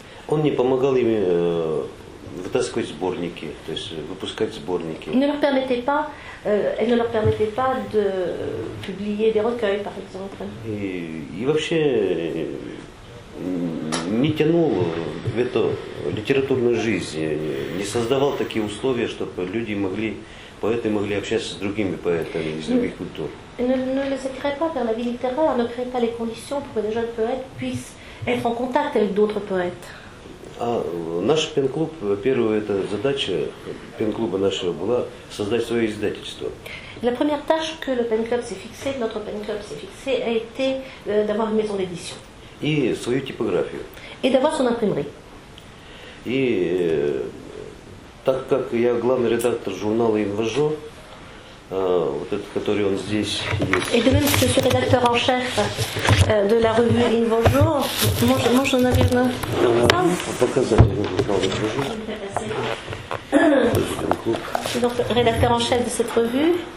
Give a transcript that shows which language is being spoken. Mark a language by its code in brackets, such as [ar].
[ru] Он не помогал им вытаскивать сборники, то есть выпускать сборники. [fr] Elle ne leur permettait pas de publier des recueils, par exemple. [ru] И вообще не тянул в эту литературную жизнь, не создавал такие условия, чтобы люди могли, поэты могли общаться с другими поэтами из других культур. [fr] Ne les attirait pas vers la vie littéraire, ne créait pas les conditions pour que des jeunes poètes puissent être en contact avec d'autres poètes. [ru] А наш пен-клуб, первая эта задача пен-клуба нашего была создать свое издательство. [fr] La première tâche que le pen-club s'est fixée, notre pen-club s'est fixée, a été d'avoir une maison d'édition. [ru] И свою типографию. [fr] Et d'avoir son imprimerie. [ru] И так как я главный редактор журнала «Инважо», вот этот, который он здесь есть. [fr] Et de même que je suis rédacteur en chef de la revue «Инважо», moi j'en avais une. [ru] Показать журнал «Инважо». [fr] Donc rédacteur en chef de cette revue.